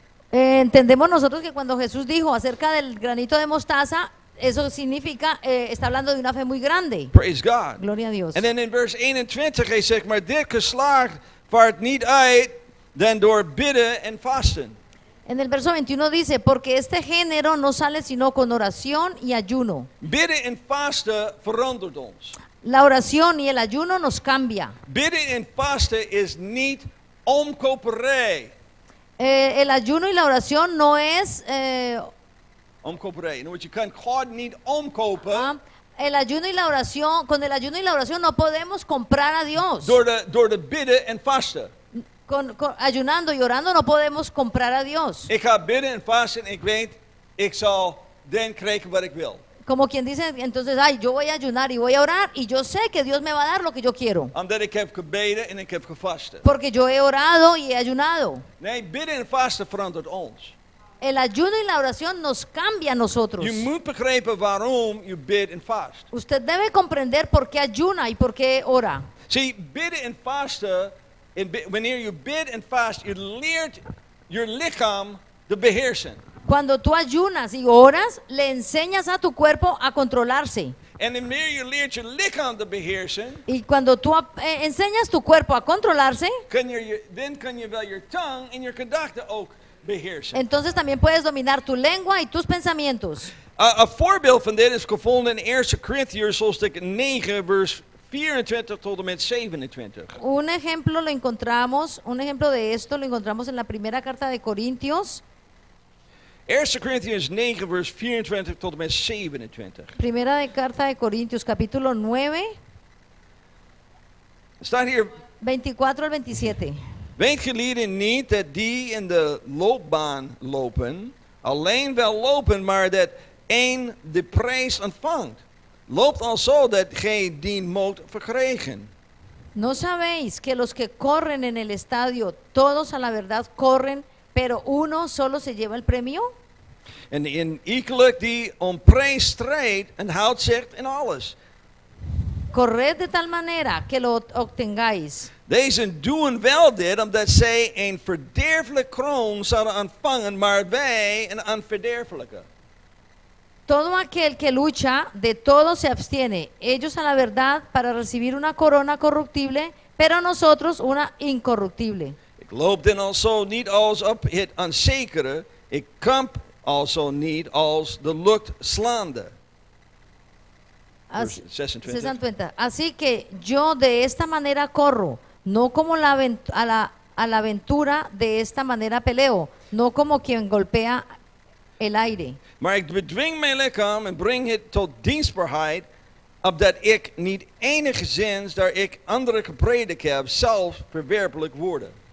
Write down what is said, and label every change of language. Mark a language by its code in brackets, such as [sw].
[es] Entendemos nosotros que cuando Jesús dijo acerca del granito de mostaza, eso significa, está hablando de una fe muy grande. [en] Praise God. [es] Gloria a Dios. [en] And then in verse 21, [nl] hij zegt, maar dit geslag vaart niet uit dan door bidden en fasten. [es] En el verso 21 dice, porque este género no sale sino con oración y ayuno. [nl] Bidden en fasten verandert ons. [es] La oración y el ayuno nos cambia. [nl] Bidden en fasten is niet omkoperé. [es] El ayuno y la oración no es... [nl] omkoperé. [en] In other words, you can't God need omkoper. [es] El ayuno y la oración, con el ayuno y la oración no podemos comprar a Dios. [nl] Door de bidden en fasten. [es] Con ayunando y orando no podemos comprar a Dios. [nl] Ik ga bidden en fasten, ik weet, ik zal dan krijgen wat ik wil. [es] Como quien dice, entonces, ay, yo voy a ayunar y voy a orar, y yo sé que Dios me va a dar lo que yo quiero. [nl] Omdat ik heb gebeden en ik heb gefasten. [es] Porque yo he orado y he ayunado. [nl] Nee, bidden en fasten verandert ons. [es] El ayuno y la oración nos cambia a nosotros. [en] You [nl] moet begrijpen waarom [en] you bid and fast. [es] Usted debe comprender por qué ayuna y por qué ora. [nl] See, bidden en fasten... Wanneer je bidt en fast, je leert je lichaam te beheersen. [es] Cuando tú ayunas y oras, le enseñas a tu cuerpo a controlarse. [nl] En wanneer je leert je lichaam te beheersen, [es] y cuando tú enseñas tu cuerpo a controlarse, [nl] dan kan je wel je tongue en je gedachten ook beheersen. [es] Entonces también puedes dominar tu lengua y tus pensamientos. [nl] A voorbeeld van dit is gevonden in 1 Corinthians hoofdstuk 9, vers 24 tot en met 27. [es] Un ejemplo de esto lo encontramos en la primera carta de Corintios. [nl] 1 Corinthians 9 vers 24 tot en met 27. [es] Primera de carta de Corintios capítulo 9. [nl] Staat hier [es] 24 al 27. [nl] Weet gelieden niet dat die in de loopbaan lopen, alleen wel lopen, maar dat één de prijs ontvangt. Loopt al zo dat gij dien moogt verkregen. [es] No sabéis que los que corren en el estadio, todos a la verdad corren, pero uno solo se lleva el premio? [nl] En in iegelijk die om prijs strijdt en houdt zich in alles. [es] Corred de tal manera que lo obtengáis. [nl] Deze doen wel dit, omdat zij een verderfelijke kroon zouden ontvangen, maar wij een onverderfelijke. [es] Todo aquel que lucha, de todo se abstiene. Ellos a la verdad para recibir una corona corruptible, pero nosotros una incorruptible. [nl] Ik loop dan alzo niet als op het onzekere, ik kamp alzo niet als de lucht slaande. [es] Así, 26. Así que yo de esta manera corro, no como a la aventura, de esta manera peleo, no como quien golpea el aire. [nl] Maar ik bedwing mijn lichaam en breng het tot dienstbaarheid, opdat ik niet enigszins daar ik andere gepredikt heb, zelf verwerpelijk worden.